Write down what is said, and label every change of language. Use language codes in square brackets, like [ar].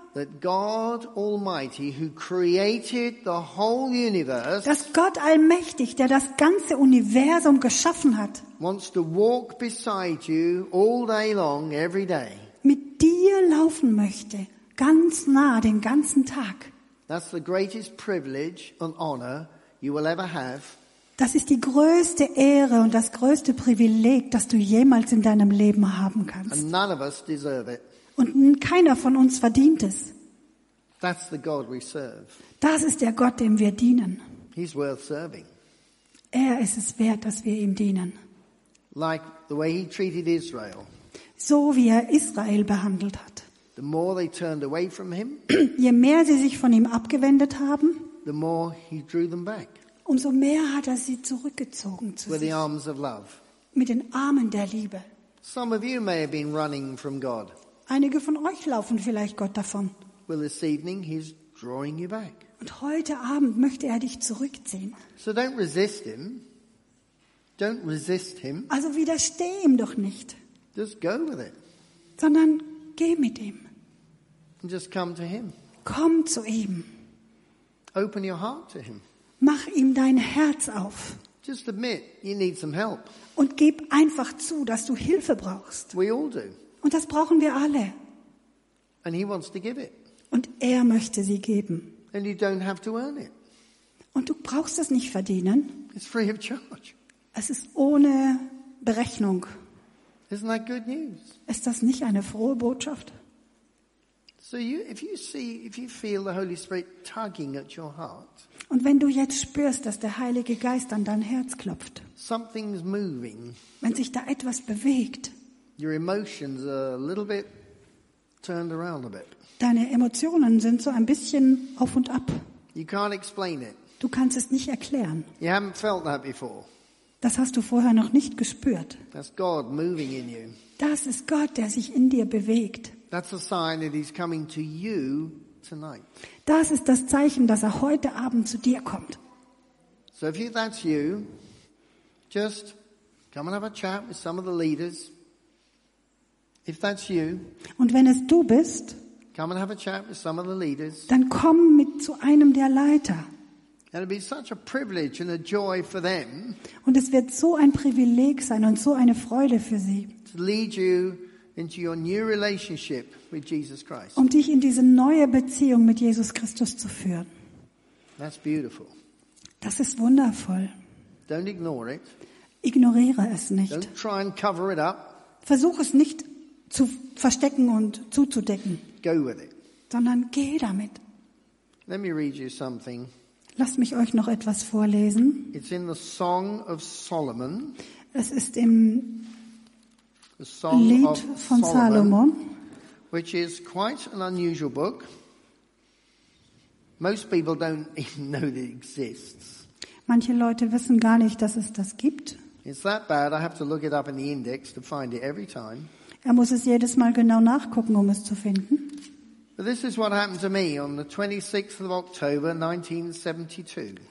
[en] That God Almighty, who created the whole universe, [de] dass Gott allmächtig, der das ganze Universum geschaffen hat, [en] wants to walk beside you all day long, every day. [de] Mit dir laufen möchte, ganz nah, den ganzen Tag. [en] That's the greatest privilege and honor you will ever have. [de] Das ist die größte Ehre und das größte Privileg, das du jemals in deinem Leben haben kannst. [en] And none of us deserve it. [de] Und keiner von uns verdient es. [en] That's the God we serve. [de] Das ist der Gott, dem wir dienen. [en] He's worth serving. [de] Er ist es wert, dass wir ihm dienen. [en] Like the way he treated Israel. [de] So wie er Israel behandelt hat. [en] The more they turned away from him, [de] je mehr sie sich von ihm abgewendet haben, [en] the more he drew them back. [de] Umso mehr hat er sie zurückgezogen zu [en] with [de] sich. [en] The arms of love. [de] Mit den Armen der Liebe. [en] Some of you may have been running from God. [de] Einige von euch laufen vielleicht Gott davon. [en] Well, this evening he's drawing you back. [de] Und heute Abend möchte er dich zurückziehen. [en] So don't resist him. Don't resist him. [de] Also widersteh ihm doch nicht. [en] Just go with it. [de] Sondern geh mit ihm. [en] And just come to him. [de] Komm zu ihm. [en] Open your heart to him. [de] Mach ihm dein Herz auf. [en] Just admit you need some help. [de] Und gib einfach zu, dass du Hilfe brauchst. [en] We all do. [de] Und das brauchen wir alle. [en] And he wants to give it. [de] Und er möchte sie geben. [en] And you don't have to earn it. [de] Und du brauchst es nicht verdienen. [en] It's free of charge. [de] Es ist ohne Berechnung. [en] Isn't that good news? [de] Ist das nicht eine frohe Botschaft? [en] So you, if you see, if you feel the Holy Spirit tugging at your heart. [de] Und wenn du jetzt spürst, dass der Heilige Geist an dein Herz klopft. [en] Something's moving. [de] Wenn sich da etwas bewegt. [en] Your emotions are a little bit turned around a bit. [de] Deine Emotionen sind so ein bisschen auf und ab. [en] You can't explain it. [de] Du kannst es nicht erklären. [en] You haven't felt that before. [de] Das hast du vorher noch nicht gespürt. [en] That's God moving in you. [de] Das ist Gott, der sich in dir bewegt. [en] That's a sign that he's coming to you tonight. [de] Das ist das Zeichen, dass er heute Abend zu dir kommt. [en] So if that's you, just come and have a chat with some of the leaders. If that's you, [de] und wenn es du bist, [en] come and have a chat with some of the leaders. [de] Dann komm mit zu einem der Leiter. [en] It'll be such a privilege and a joy for them. [de] Und es wird so ein Privileg sein und so eine Freude für sie. [en] To lead you into your new relationship with Jesus Christ. [de] Um dich in diese neue Beziehung mit Jesus Christus zu führen. [en] That's beautiful. [de] Das ist wundervoll. [en] Don't ignore it. [de] Ignoriere es nicht. [en] Don't try and cover it up. [de] Versuch es nicht zu verstecken und zuzudecken. [en] Go with it. [de] Sondern geh damit. [en] Let me read you something. [de] Lasst mich euch noch etwas vorlesen. [en] It's in the Song of Solomon. [de] Es ist im Lied von Salomon. [en] Which is quite an unusual book. Most people don't even know that it exists. [de] Manche Leute wissen gar nicht, dass es das gibt. [en] It's that bad. I have to look it up in the index to find it every time. [de] Er muss es jedes Mal genau nachgucken, um es zu finden. [en] But this is what happened to me on the 26th of October 1972.